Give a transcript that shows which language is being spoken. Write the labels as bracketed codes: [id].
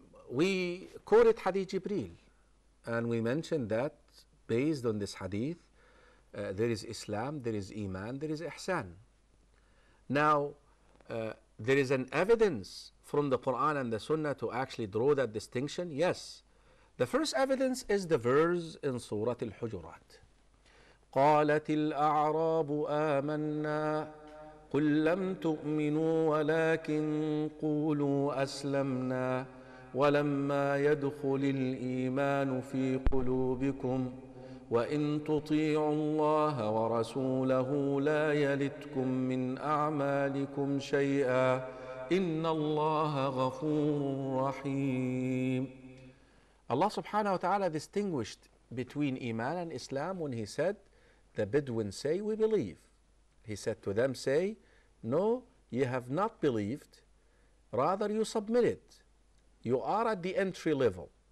[en] We quoted Hadith Jibreel, and we mentioned that based on this Hadith, there is Islam, there is Iman, there is Ihsan. Now, there is an evidence from the Quran and the Sunnah to actually draw that distinction. Yes, the first evidence is the verse in Surah Al-Hujurat. [ar] قالت الأعراب آمنا قل لم تؤمنوا ولكن قولوا أسلمنا ولما يدخل الإيمان في قلوبكم وإن تطيعوا الله ورسوله لا يلتكم من أعمالكم شيئا إن الله غفور رحيم. الله سبحانه وتعالى [en] distinguished between Iman and Islam when he said, the Bedouin say, we believe. He said to them, say, no, you have not believed. Rather, you submitted. You are at the entry level.